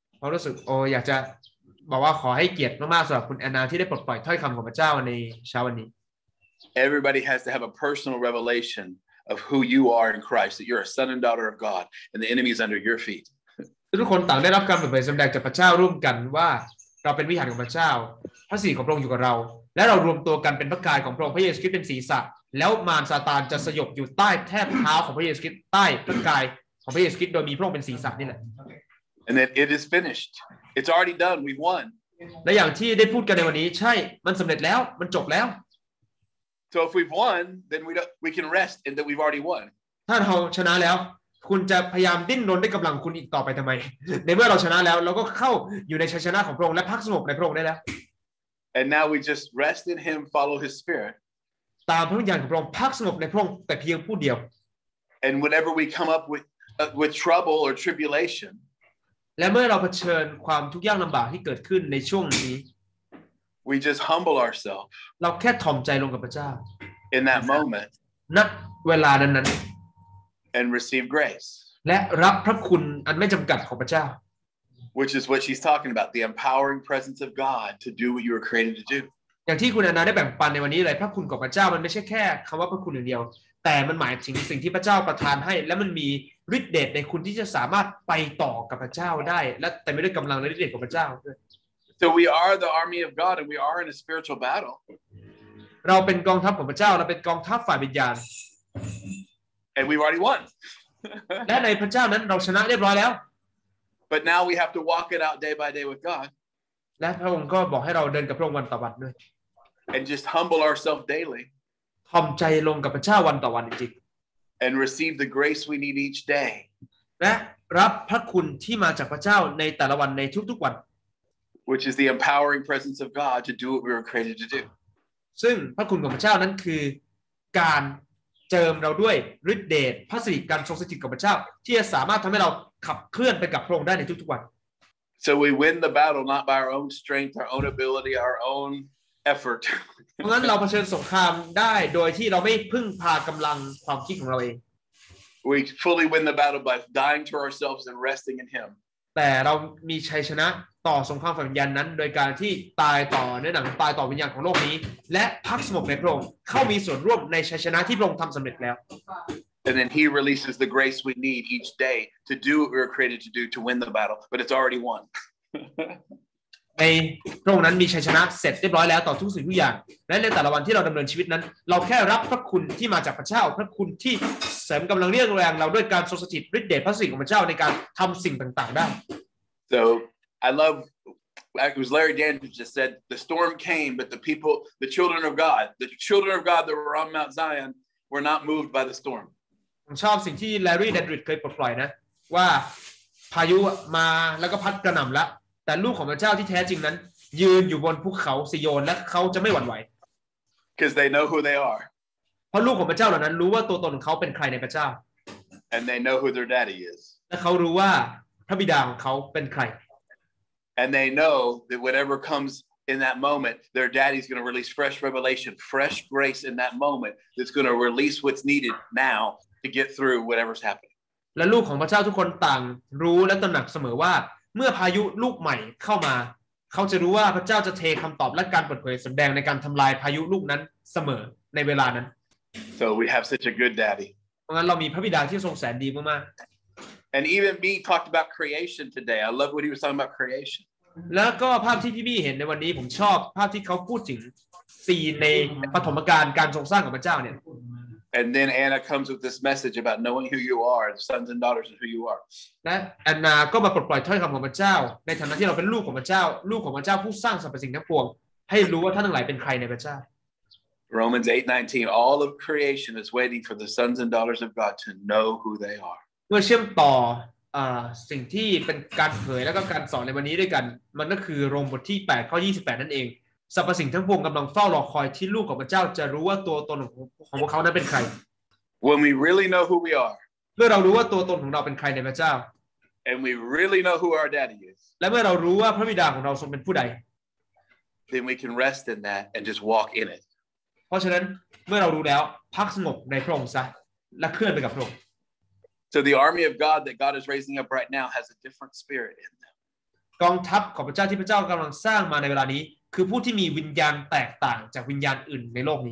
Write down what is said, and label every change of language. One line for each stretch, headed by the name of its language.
Thai: เรารู้สึกโออยากจะบอกว่าขอให้เกียรติมากๆสำหรับคุณแอนนาที่ได้ปลดปล่อยถ้อยคำของพระเจ้าในเช้าวันนี้
English: Everybody has to have a personal revelation of who you are in Christ that you're a son and daughter of God and the enemy is under your feet
Thai: ทุกคนต่างได้รับการเปิดเผยสำแดงจากพระเจ้าร่วมกันว่าเราเป็นวิหารของพระเจ้าพระสิริของพระองค์อยู่กับเราและเรารวมตัวกันเป็นพระกายของพระองค์พระเยซูคริสต์เป็นศีรษะแล้วมารซาตานจะสยบอยู่ใต้แทบเท้าของพระเยซูคริสต์ใต้พระกายของพระเยซูคริสต์โดยมีพระองค์เป็นศีรษะนี่แหละ
English: And that it is finishedIt's already done. We've won.
Thai: และอย่างที่ได้พูดกันในวันนี้ใช่มันสำเร็จแล้วมันจบแล้ว
English: So if we've won, then we can rest in that we've already won.
Thai: ถ้าเราชนะแล้วคุณจะพยายามดิ้นรนด้วยกำลังคุณอีกต่อไปทำไมในเมื่อเราชนะแล้วเราก็เข้าอยู่ในชัยชนะของพระองค์และพักสงบในพระองค์ได้แล้ว
English: And now we just rest in Him, follow His Spirit.
Thai: ตามพระวิญญาณของพระองค์พักสงบในพระองค์แต่เพียงผู้เดียว
English: And whenever we come up with trouble or tribulation.
Thai: และเมื่อเราเผชิญความทุกข์ยากลำบากที่เกิดขึ้นในช่วงนี้
English: We just humble ourselves
Thai: เราแค่ถ่อมใจลงกับพระเจ้า
English: In that moment
Thai: ณเวลานั้น
English: ๆ And receive grace
Thai: และรับพระคุณอันไม่จำกัดของพระเจ้า
English: Which is what she's talking about the empowering presence of God to do what you were created to do
Thai: อย่างที่คุณอนันต์ได้แบ่งปันในวันนี้เลยพระคุณของพระเจ้ามันไม่ใช่แค่คำว่าพระคุณอย่างเดียวแต่มันหมายถึงสิ่งที่พระเจ้าประทานให้และมันมีฤทธิ์เดชในคุณที่จะสามารถไปต่อกับพระเจ้าได้และแต่ไม่ด้วยกำลังและฤทธิ์เดชของพระเจ้า
English: So we are the army of God and we are in a spiritual battle
Thai: เราเป็นกองทัพของพระเจ้าเราเป็นกองทัพฝ่ายวิญญาณ
English: And we've already won
Thai: และในพระเจ้านั้นเราชนะเรียบร้อยแล้ว
English: But now we have to walk it out day by day with God
Thai: และพระองค์ก็บอกให้เราเดินกับพระองค์วันต่อวันด้วย
English: And just humble ourselves daily
Thai: ทำใจลงกับพระเจ้าวันต่อวันจริง
English: and receive the grace we need each day
Thai: และรับพระคุณที่มาจากพระเจ้าในแต่ละวันในทุกๆวัน
English: which is the empowering presence of God to do what we were created to do
Thai: ซึ่งพระคุณของพระเจ้านั้นคือการเจิมเราด้วยฤทธิ์เดชพระสิริการทรงสถิตกับพระเจ้าที่จะสามารถทำให้เราขับเคลื่อนไปกับพระองค์ได้ในทุกๆวัน
English: so we win the battle not by our own strength our own ability our ownEffort.
Thai: เพราะงั้นเราเผชิญสงครามได้โดยที่เราไม่พึ่งพากำลังความคิดของเราเอง
English: We fully win the battle by dying to ourselves and resting in Him.
Thai: แต่เรามีชัยชนะต่อสงครามฝ่ายวิญญาณนั้นโดยการที่ตายต่อเนื้อหนังตายต่อวิญญาณของโลกนี้และพักสงบในพระองค์เข้ามีส่วนร่วมในชัยชนะที่พระองค์ทำสำเร็จแล้ว
English: And then He releases the grace we need each day to do what we were created to do to win the battle, but it's already won.
Thai: ในพระองค์นั้นมีชัยชนะเสร็จเรียบร้อยแล้วต่อทุกสิ่งทุกอย่างและในแต่ละวันที่เราดำเนินชีวิตนั้นเราแค่รับพระคุณที่มาจากพระเจ้าพระคุณที่เสริมกำลังเรี่ยงแรงเราด้วยการทรงสถิตฤทธิ์เดชพระสิริของพระเจ้าในการทำสิ่งต่างๆได้
English: So I love it was Larry Dandridge just said the storm came but the children of God that were on Mount Zion were not moved by the storm
Thai: ชอบสิ่งที่แลรี่แดนริดเคยปลดปล่อยนะว่าพายุมาแล้วก็พัดกระหน่ำแล้วแต่ลูกของพระเจ้าที่แท้จริงนั้นยืนอยู่บนภูเขาซิโยนและเขาจะไม่หวั่นไหว
English: Because they know who they are
Thai: เพราะลูกของพระเจ้าเหล่านั้นรู้ว่าตัวตนของเขาเป็นใครในพระเจ้า
English: And they know who their daddy is
Thai: และเขารู้ว่าพระบิดาของเขาเป็นใคร
English: And they know that whatever comesIn that moment, their daddy's going to release fresh revelation, fresh grace in that moment that's going to release what's needed now to get through whatever's happening.
Thai: และลูกของพระเจ้าทุกคนต่างรู้และตระหนักเสมอว่าเมื่อพายุลูกใหม่เข้ามาเขาจะรู้ว่าพระเจ้าจะเทคำตอบและการเปิดเผยแสดงในการทำลายพายุลูกนั้นเสมอในเวลานั้น
English: So we have such a good daddy.
Thai: เพราะงั้นเรามีพระบิดาที่ทรงแสนดีมาก
English: ๆ And even me talked about creation today. I love what he was talking about creation.
Thai: แล้วก็ภาพที่พี่บี้เห็นในวันนี้ผมชอบภาพที่เขาพูดถึงซีนในปฐมกาลการทรงสร้างของพระเจ้าเนี่ย
English: And then Anna comes with this message about knowing who you are, the sons and daughters of who you are.
Thai: และแอนนาก็มาปลดปล่อยถ้อยคำของพระเจ้าในฐานะที่เราเป็นลูกของพระเจ้าลูกของพระเจ้าผู้สร้างสรรพสิ่งทั้งปวงให้รู้ว่าท่านทั้งหลายเป็นใครในพระเจ้า
English: Romans 8:19 All of creation is waiting for the sons and daughters of God to know who they are.
Thai: เมื่อเชื่อมต่อสิ่งที่เป็นการเผยแล้วก็การสอนในวันนี้ด้วยกันมันก็คือโรมบทที่8ข้อ28นั่นเองสรรพสิ่งทั้งปวงกำลังเฝ้ารอคอยที่ลูกของพระเจ้าจะรู้ว่าตัวตนของพวกเขานั้นเป็นใคร
English: When we really know who we are
Thai: เมื่อเรารู้ว่าตัวตนของเราเป็นใครในพระเจ้า
English: And we really know who our daddy is
Thai: และเมื่อเรารู้ว่าพระบิดาของเราทรงเป็นผู้ใด
English: Then we can rest in that and just walk in it
Thai: เพราะฉะนั้นเมื่อเรารู้แล้วพักสงบในพระองค์ซะและเคลื่อนไปกับพระองค์
English: So the army of God that God is raising up right now has a different spirit in them.
Thai: กองทัพของพระเจ้าที่พระเจ้ากำลังสร้างมาในเวลานี้คือผู้ที่มีวิญญาณแตกต่างจากวิญญาณอื่นในโลกนี